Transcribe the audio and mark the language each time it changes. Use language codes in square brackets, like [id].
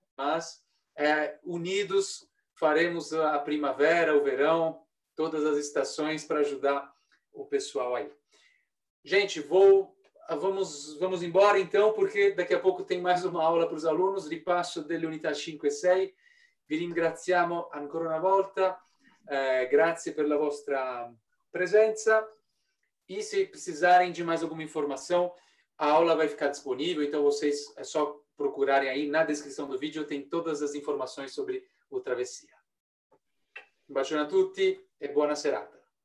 [pt] Mas unidos faremos a primavera, o verão, todas as estações para ajudar o pessoal aí. Gente, vamos embora então, porque daqui a pouco tem mais uma aula para os alunos. [it] Ripasso delle unità 5 e 6. Vi ringraziamo ancora una volta. Grazie per la vostra presenza. [pt] E se precisarem de mais alguma informação, a aula vai ficar disponível, então vocês é só procurarem aí na descrição do vídeo, tem todas as informações sobre o Travessia. [it] Um bacio a tutti e buona serata.